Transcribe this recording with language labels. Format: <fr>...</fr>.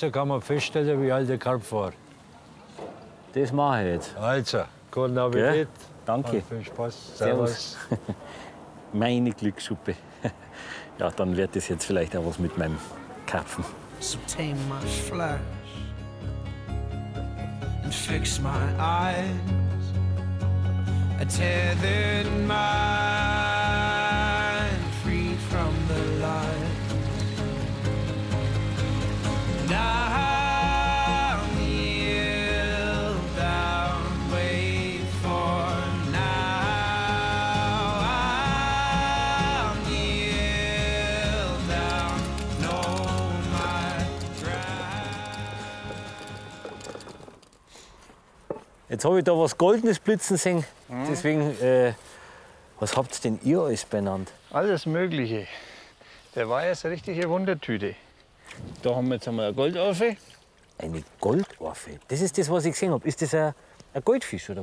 <de>Da kann man feststellen, wie alt der Karpf war. Das mache ich jetzt. Also, guten Appetit. Gell? Danke. Und viel Spaß. Servus. Meine Glückssuppe. Ja, dann wird das jetzt vielleicht auch was mit meinem Karpfen.</de> <en>So tame my flesh. Fix my eyes, a tethered mind, free from the light. Now kneel down, wait for now. I'll kneel down, know my ground.</en> <de>Jetzt habe ich da was Goldenes blitzen sehen. Deswegen, was habt ihr denn ihr alles benannt? Alles Mögliche. Der war jetzt eine richtige Wundertüte. Da haben wir jetzt einmal eine Goldorfe. Eine Goldorfe? Das ist das, was ich gesehen habe. Ist das ein Goldfisch oder</de>